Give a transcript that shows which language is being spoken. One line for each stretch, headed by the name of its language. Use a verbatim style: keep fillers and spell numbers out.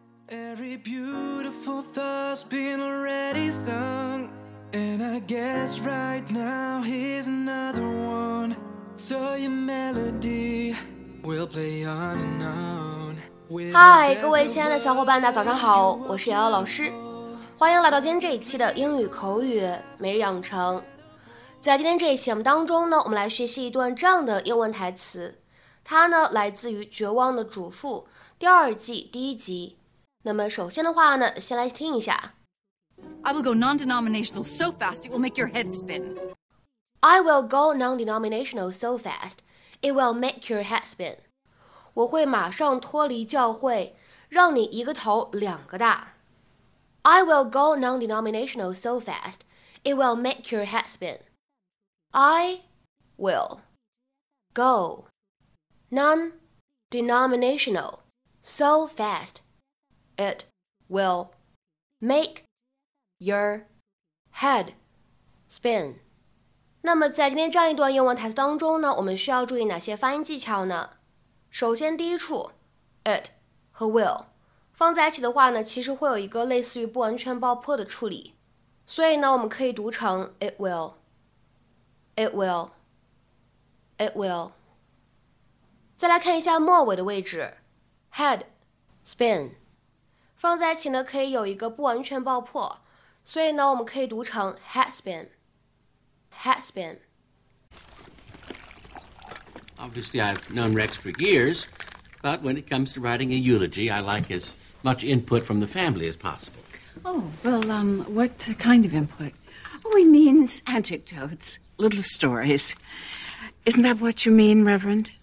English: Many beautiful thoughts been already sung, and I guess right now here's another one. So your melody will play on and on.
Chinese: 嗨，各位亲爱的小伙伴，大家早上好，我是瑶瑶老师，欢迎来到今天这一期的英语口语每日养成。在今天这一期节目当中呢，我们来学习一段这样的英文台词，它呢来自于《绝望的主妇》第二季第一集。那么首先的话呢，先来听一下。
English: I will go non-denominational so fast it will make your head spin. I will go non-denominational so fast it will make your head spin.
Chinese: 我会马上脱离教会，让你一个头两个大。
English: I will go non-denominational so fast it will make your head spin. I will go non-denominational so fast. It will make your head spin.
Chinese: 那么在今天这样一段英文台词当中呢，我们需要注意哪些发音技巧呢？首先第一处 it 和 will 放在一起的话呢，其实会有一个类似于不完全爆破的处理，所以呢我们可以读成
English: it will, it will, it will.
Chinese: 再来看一下末尾的位置 head spin放在一起呢，可以有一个不完全爆破，所以呢，我们可以读成
English: head spin, head spin. Obviously, I've known Rex for years, but when it comes to writing a eulogy, I like as much input from the family as possible. Oh, well, um, what kind of input? Oh, he means anecdotes, little stories. Isn't that what you mean, Reverend?